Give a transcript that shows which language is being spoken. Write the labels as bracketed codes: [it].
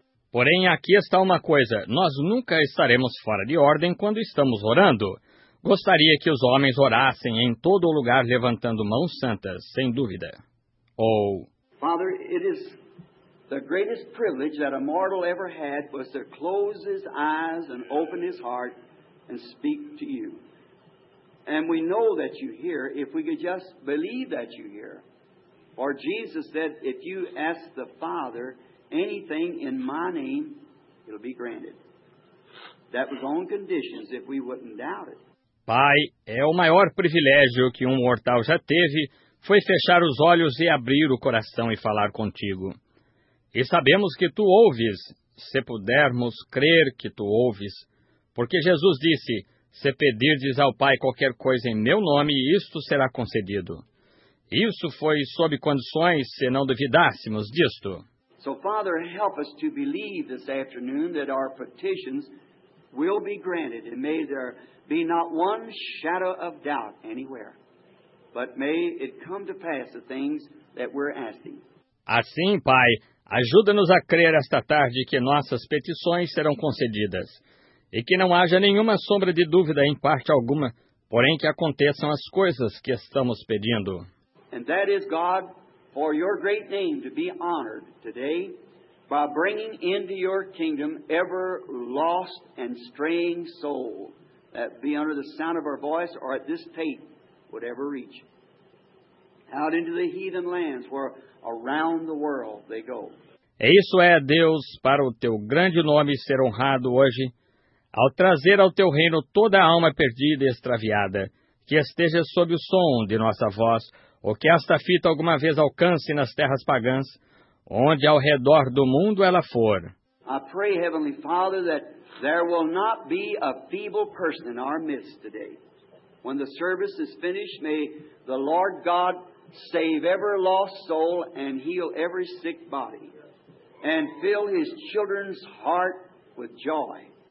[pt] Porém, aqui está uma coisa. Nós nunca estaremos fora de ordem quando estamos orando. Gostaria que os homens orassem em todo lugar levantando mãos santas, sem dúvida. Ou... [en] Father, it is the greatest privilege that a mortal ever had was to close his eyes and open his heart and speak to you. And we know that you hear if we could just believe that you hear. For Jesus said, if you ask the Father... anything in my name, it'll be granted. That was on conditions if we wouldn't doubt it. [pt] Pai, é o maior privilégio que um mortal já teve, foi fechar os olhos e abrir o coração e falar contigo. E sabemos que tu ouves, se pudermos crer que tu ouves. Porque Jesus disse, se pedirdes ao Pai qualquer coisa em meu nome, isto será concedido. Isso foi sob condições, se não duvidássemos disto. [en] So, Father, help us to believe this afternoon that our petitions will be granted, and may there be not one shadow of doubt anywhere, but may it come to pass the things that we're asking. [pt] Assim, Pai, ajuda-nos a crer esta tarde que nossas petições serão concedidas, e que não haja nenhuma sombra de dúvida em parte alguma, porém que aconteçam as coisas que estamos pedindo. [en] And that is God. For your great name to be honored today by bringing into your kingdom every lost and straying soul that be under the sound of our voice or at this tape would ever reach. Out into the heathen lands where around the world they go. [pt] E isso é, Deus, para o teu grande nome ser honrado hoje, ao trazer ao teu reino toda a alma perdida e extraviada, que esteja sob o som de nossa voz, ou que esta fita alguma vez alcance nas terras pagãs, onde ao redor do mundo ela for. [en] I pray, Heavenly Father, that there will not be a feeble person in our midst today. When the service is finished, may the Lord God save every lost soul and heal every sick body, and fill His children's heart with joy.